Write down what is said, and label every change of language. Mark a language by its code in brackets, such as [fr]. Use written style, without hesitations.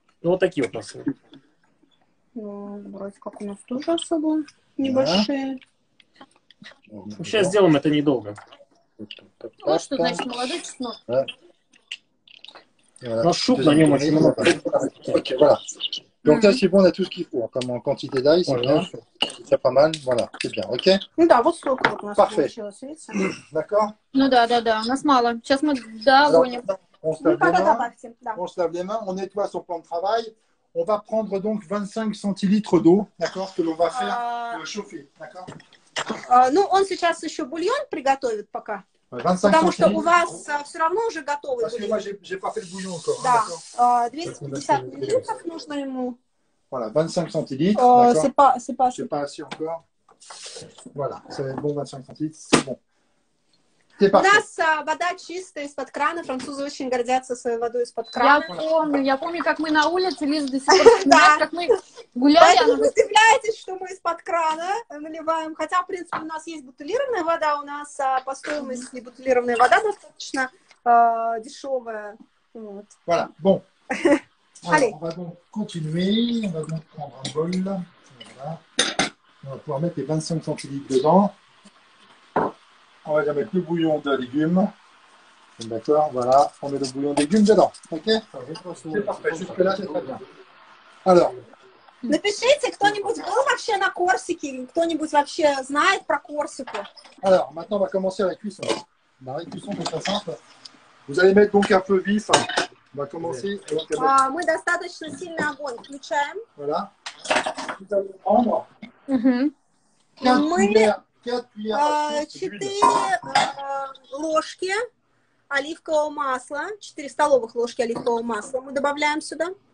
[ru] Ну, вот такие вот у нас. Ну, вроде как у нас тоже особо небольшие. Да. Сейчас сделаем это недолго. Вот что значит молодой чеснок. Да. Но шуб на нем очень много. [fr] Donc là, c'est bon, on a tout ce qu'il faut. Comme en quantité d'ail, c'est bien. C'est pas mal. Voilà, c'est bien. OK? [ru] Да, вот столько вот у нас. [fr] Parfait. D'accord? [ru] Ну да, да, да. У нас мало. Сейчас мы догоним. [fr] On se lave les mains. On se lave les mains. On nettoie son plan de travail. On va prendre donc 25 centilitres d'eau, d'accord, que l'on va faire chauffer, d'accord? [ru] Ну, он сейчас еще бульон приготовит пока, 25 потому что у вас все равно уже готовый бульон. [fr] Parce que moi, j'ai pas fait le bouillon encore. [ru] Да, 250 миллилитров нужно ему. [fr] Voilà, 25 сантилитров, d'accord? C'est pas, c'est pas assez encore. Voilà, c'est bon, 25 сантилитров, c'est bon. C'est parti. [ru] У нас вода чистая из-под крана, французы очень гордятся своей водой из-под крана. Я помню, как мы на улице, Лиза до сих пор, как мы... Гуляли, поэтому она... вы удивляетесь, что мы из-под крана наливаем. Хотя, в принципе, у нас есть бутылированная вода. У нас по стоимости бутылированная вода достаточно дешевая. Вот. [fr] Voilà. Bon. Allez. On va donc continuer. On va donc prendre un bol. Voilà. On va pouvoir mettre les 25 centilitres dedans. On va mettre le bouillon de légumes. D'accord. Voilà. On met le bouillon de légumes dedans. Ok. C'est parfait. Jusque là, c'est très bien. Alors. [ru] Напишите, кто-нибудь был вообще на Корсике? Кто-нибудь вообще знает про Корсику? [fr] Alors, maintenant on va commencer la cuisson. La cuisson, c'est très simple. Vous allez mettre donc un feu vif. On va commencer. [ru] Мы достаточно сильный огонь включаем. [fr] Voilà. Vous allez prendre [ru] 4 ложки оливкового масла. 4 столовых ложки оливкового масла мы добавляем сюда.